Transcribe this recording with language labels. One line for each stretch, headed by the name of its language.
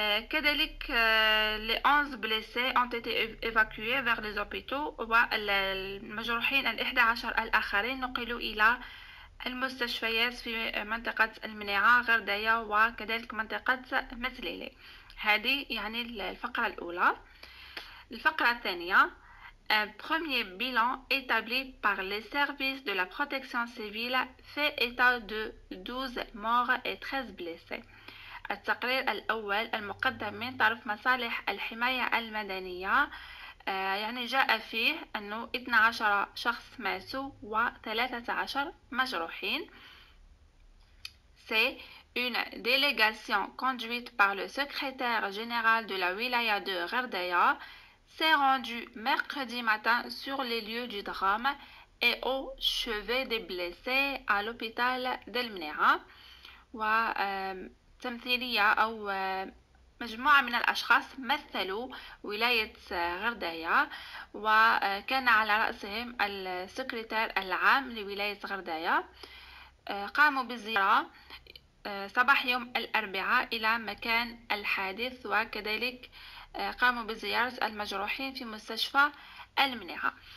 Arabic: كذلك
French: لي 11 بليسي اون تي ايفاكوي فيغ لي زوبيتو،
Arabic: والمجروحين 11 الاخرين نقلوا الى المستشفيات في منطقة المنيعة غردية وكذلك منطقة متليلي. هذه يعني الفقرة الأولى. الفقرة الثانية،
French: un premier bilan établi par les services de la protection civile fait état de 12 morts et 13 blessés.
Arabic: التقرير الأول المقدم من طرف مصالح الحماية المدنية يعني جاء فيه أنه 12 شخص ماتوا و13 مجروحين.
French: C'est une délégation conduite par le secrétaire général de la wilaya de Gherdaya s'est rendu mercredi matin sur les lieux du drame et au chevet des blessés à l'hôpital d'Elmnera.
Arabic: وتمثيلية أو مجموعة من الأشخاص مثلوا ولاية غردية، وكان على رأسهم السكرتير العام لولاية غردية. قاموا بالزيارة صباح يوم الأربعاء إلى مكان الحادث، وكذلك قاموا بزيارة المجروحين في مستشفى المنيعة.